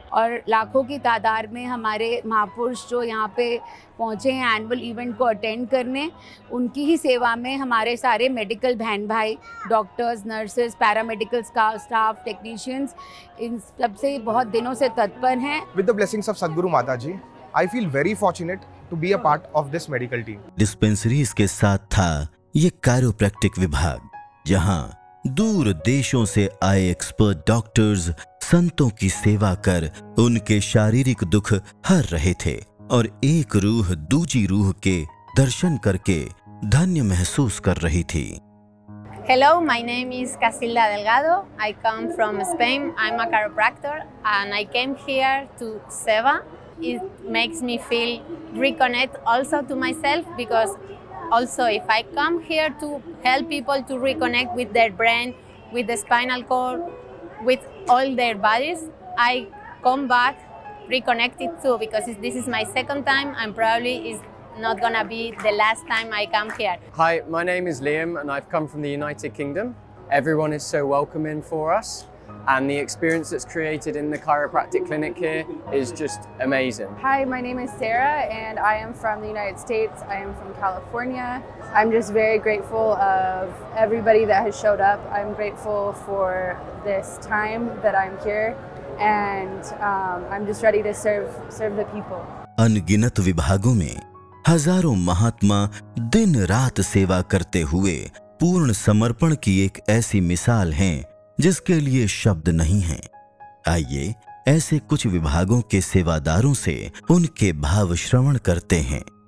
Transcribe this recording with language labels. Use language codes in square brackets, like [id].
[hi] और लाखों की तादाद में हमारे महापुरुष जो यहाँ पे पहुँचे हैं एनुअल इवेंट को अटेंड करने, उनकी ही सेवा में हमारे सारे मेडिकल बहन भाई, डॉक्टर्स, नर्सेस, पैरामेडिकल्स का स्टाफ, टेक्नीशियंस, इन सबसे बहुत दिनों से तत्पर हैं। [en] with the blessings of [hi] सदगुरु माता जी, [en] I feel very fortunate to be a part of this medical team. [hi] Dispensaries के साथ था ये chiropractic विभाग, जहां दूर देशों से आए expert doctors संतों की सेवा कर उनके शारीरिक दुख हर रहे थे और एक रूह दूजी रूह के दर्शन करके धन्य महसूस कर रही थी। [en] Hello, my name is Casilda Delgado. I come from Spain. I'm a chiropractor and I came here to Seva. It makes me feel reconnect also to myself, because also if I come here to help people to reconnect with their brain, with the spinal cord, with all their bodies, I come back reconnected too, because this is my second time and probably is not gonna be the last time I come here. Hi, my name is Liam and I've come from the United Kingdom. Everyone is so welcoming for us, and the experience that's created in the chiropractic clinic here is just amazing. Hi, my name is Sarah and I am from the United States. I am from California. I'm just very grateful of everybody that has showed up. I'm grateful for this time that I'm here, and I'm just ready to serve the people. [hi] अनगिनत विभागों में हजारों महात्मा दिन रात सेवा करते हुए पूर्ण समर्पण की एक ऐसी मिसाल हैं जिसके लिए शब्द नहीं है। आइए ऐसे कुछ विभागों के सेवादारों से उनके भाव श्रवण करते हैं।